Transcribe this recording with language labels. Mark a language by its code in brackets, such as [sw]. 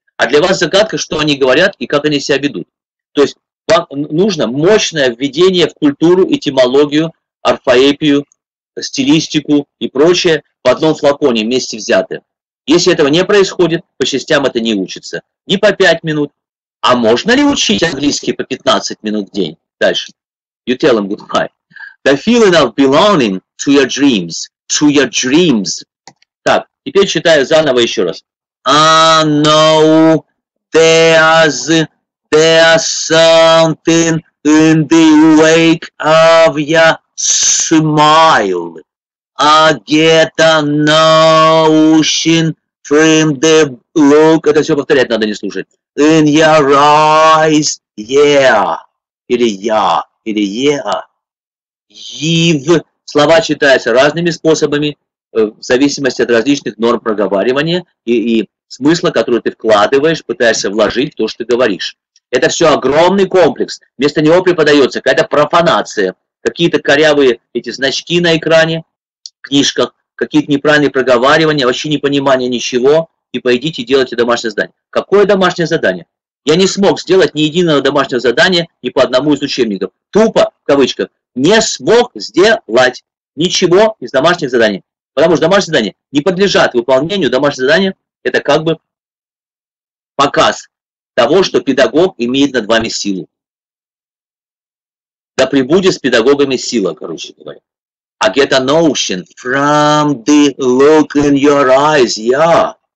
[ru] А для вас загадка, что они говорят и как они себя ведут. То есть вам нужно мощное введение в культуру, этимологию, орфоэпию, стилистику и прочее в одном флаконе вместе взятое. Если этого не происходит, по частям это не учится. Не по 5 минут. А можно ли учить английский по 15 минут в день? Дальше. [en] You tell them goodbye. The feeling of belonging to your dreams. To your dreams. [ru] Так, теперь читаю заново еще раз. [en] I know there's something in the wake of your smile. I get a notion from the look. [ru] Это все повторять надо, не слушать. [en] In your eyes, yeah. [ru] Или я, или yeah. [en] You've. [ru] Слова читаются разными способами, в зависимости от различных норм проговаривания и смысла, который ты вкладываешь, пытаешься вложить в то, что ты говоришь. Это все огромный комплекс. Вместо него преподается какая-то профанация, какие-то корявые эти значки на экране, в книжках, какие-то неправильные проговаривания, вообще непонимание ничего, и пойдите делайте домашнее задание. Какое домашнее задание? Я не смог сделать ни единого домашнего задания ни по одному из учебников. Тупо, в кавычках, не смог сделать ничего из домашних заданий. Потому что домашние задания не подлежат выполнению. Домашние задания – это как бы показ того, что педагог имеет над вами силу. Да пребудет с педагогами сила, короче говоря. [en] I get a notion from the look in your eyes, yeah.